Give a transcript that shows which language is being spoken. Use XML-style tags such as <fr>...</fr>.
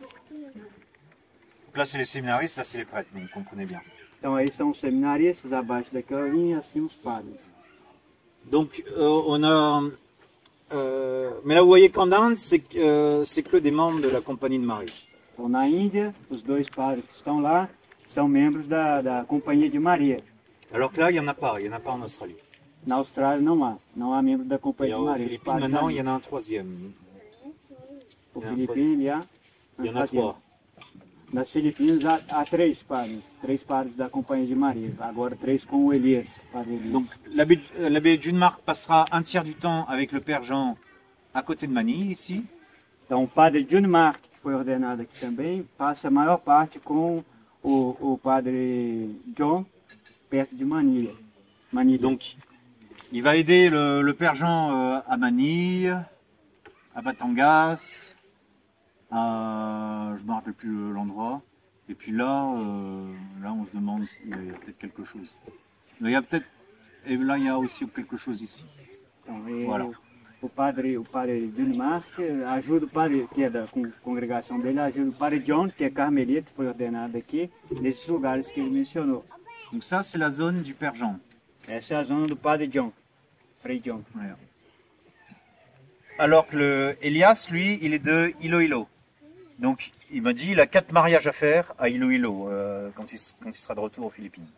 <fr>Donc, là, c'est les séminaristes, là, c'est les prêtres, vous comprenez bien.</fr> <pt>Então, aí são os seminaristas, abaixo da carinha, assim os padres.</pt> <fr>Donc, on a. Mais là, vous voyez qu'en Inde, c'est que des membres de la Compagnie de Marie.</fr> <pt>Então, na Índia, os dois padres que estão lá são membros da Companhia de Maria.</pt> <fr>Alors que là, il n'y en a pas en Australie.</fr> <pt>Na Austrália, não há membros da Companhia de Maria.</pt> <fr>Aux Philippines, maintenant, il y en a un troisième. Aux Philippines, il y a. Il y en a trois.</fr> <pt>Nas Philippines, há três padres. Três padres da Companhia de Maria. Agora, três com o Elias. Padre Elias.</pt> <fr>Donc, l'abbé Jean Marc passera un tiers du temps avec le Père Jean à côté de Manille, ici.</fr> <pt>Então, o padre Jean Marc, que foi ordenado aqui também, passa a maior parte com o padre John, perto de Manille.</pt> <fr>Donc, il va aider le Père Jean à Manille, à Batangas, à, je ne me rappelle plus l'endroit. Et puis là, on se demande s'il y a peut-être quelque chose. Il y a peut-être, et là, il y a aussi quelque chose ici.</fr> <pt>Então, voilà. O padre Dunmask ajuda o padre, que é da congregação dele, ajuda o padre John, que é carmelita, que foi ordenado aqui, nesses lugares que ele mencionou.</pt> <fr>Donc ça, c'est la zone du Père Jean. Et c'est la zone du Père Jean, Frère Jean. Ouais. Alors que le Elias, lui, il est de Iloilo. Donc, il m'a dit, il a quatre mariages à faire à Iloilo quand il sera de retour aux Philippines.</fr>